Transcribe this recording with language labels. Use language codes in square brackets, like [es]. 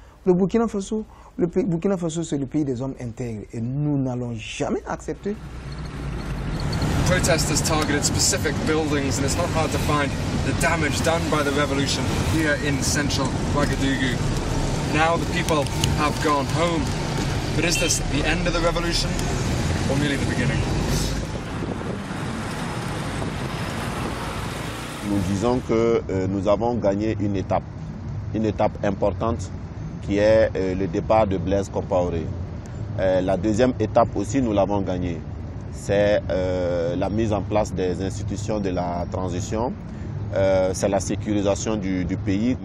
[fr] Le Burkina Faso, c'est le pays des hommes intègres et nous n'allons jamais accepter. [en] Protesters targeted specific buildings and it's not hard to find the damage done by the revolution here in central Ouagadougou. Now the people have gone home. But is this the end of the revolution or merely the beginning? [fr] Nous disons que nous avons gagné une étape importante qui est le départ de Blaise Compaoré. La deuxième étape aussi, nous l'avons gagnée. C'est la mise en place des institutions de la transition, c'est la sécurisation du pays.